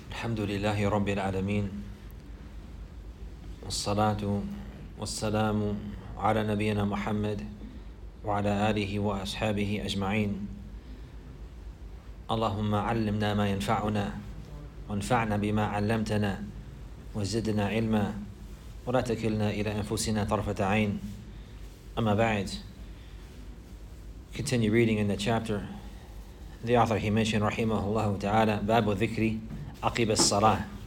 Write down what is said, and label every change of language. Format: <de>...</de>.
<ar>الحمد لله رب العالمين، والصلاة والسلام على نبينا محمد وعلى آله وأصحابه أجمعين. اللهم علمنا ما ينفعنا، وانفعنا بما علمتنا، وزدنا علما، ولا تكلنا إلى أنفسنا طرفة عين. أما بعد،</ar> <en>continue reading in the chapter. The author, he mentioned,</en> <ar>رحمه الله تعالى، باب الذكر عقب الصلاة.</ar>